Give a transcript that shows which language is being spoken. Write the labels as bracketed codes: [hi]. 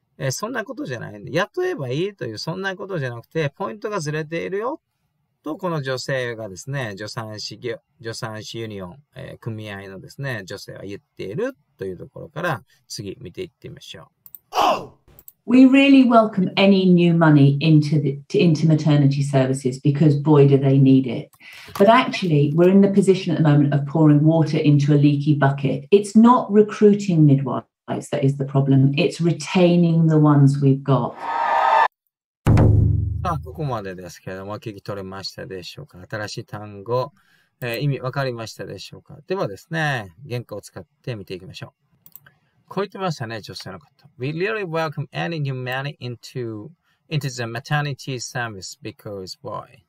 [ja] そんなことじゃないんで、雇えばいいという、そんなことじゃなくて、ポイントがずれているよ。と、この女性がですね、助産師ユニオン、組合のですね、女性は言っているというところから、次見ていってみましょう。 Oh! [en] We really welcome any new money into maternity services because boy do they need it. But actually, we're in the position at the moment of pouring water into a leaky bucket. It's not recruiting midwives that is the problem. It's retaining the ones we've got. [ja] ここまでですけれども、聞き取れましたでしょうか。新しい単語、意味分かりましたでしょうか。ではですね、原稿を使って見ていきましょう。こう言ってましたね、女性の方。 [en] We really welcome any new money into the maternity service because why?